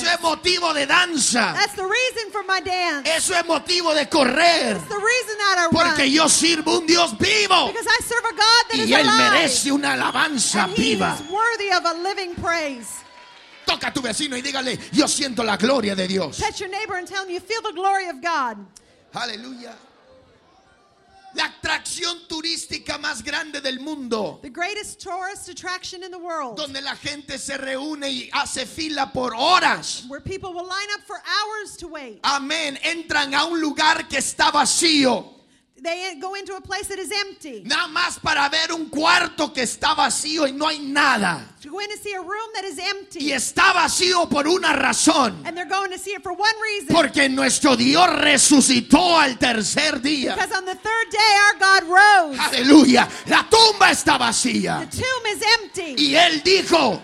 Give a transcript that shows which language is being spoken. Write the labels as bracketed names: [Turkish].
[Spanish] Eso es motivo de danza. [English] That's the reason for my dance. [Spanish] Eso es motivo de correr. [English] That's the reason that I run. [Spanish] Porque yo sirvo un Dios vivo. [English] Because I serve a God that [Spanish] y [English] is [Spanish] él [English] alive. [Spanish] Merece una alabanza [English] and [Spanish] viva. [English] He is worthy of a living praise. [Spanish] Toca a tu vecino y dígale, yo siento la gloria de Dios. [English] Touch your neighbor and tell him you feel the glory of God. [Spanish] Aleluya. La atracción turística más grande del mundo. [English] The greatest tourist attraction in the world. [Spanish] Donde la gente se reúne y hace fila por horas. [English] Where people will line up for hours to wait. [Spanish] Amén. Entran a un lugar que está vacío. [English] They go into a place that is empty. [Spanish] Nada más para ver un cuarto que está vacío y no hay nada. [English] To go in to see a room that is empty. [Spanish] Y está vacío por una razón. [English] And they're going to see it for one reason. [Spanish] Porque nuestro Dios resucitó al tercer día. [English] Because on the third day our God rose. [Spanish] Aleluya. La tumba está vacía. [English] The tomb is empty. [Spanish] Y Él dijo.